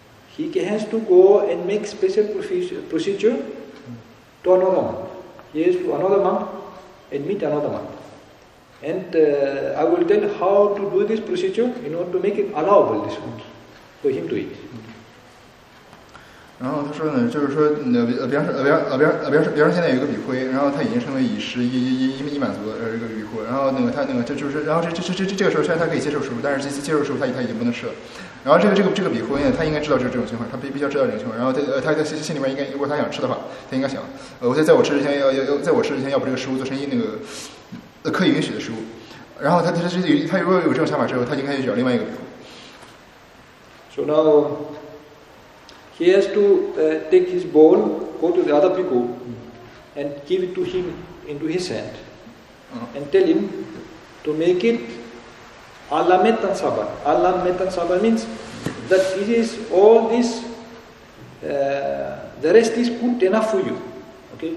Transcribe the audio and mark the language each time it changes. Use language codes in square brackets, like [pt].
[en] He has to go and make special procedure to another monk. He has to another monk and meet another monk. And I will tell how to do this procedure in order to make it allowable, this food, for him to eat. [zh] 然后他说呢，就是说，比方说，现在有一个比库 A， 然后他已经成为已食已满足的这个比库，然后那个他那个就是，然后这个时候虽然他可以接受食物，但是接受食物他已经不能吃了。然后这个比库 A 呢，他应该知道这种情况，他必须知道这种情况。然后他在心里面应该，如果他想吃的话，他应该想，我在我吃之前要把这个食物做成一那个可以允许的食物。然后他如果有这种想法之后，他应该去找另外一个比库。 [en] So now. He has to take his bowl, go to the other bhikkhu, and give it to him into his hand, and tell him to make it Alla Mettan Sabha. Alla Mettan Sabha means that it is all this, the rest is good enough for you. Okay?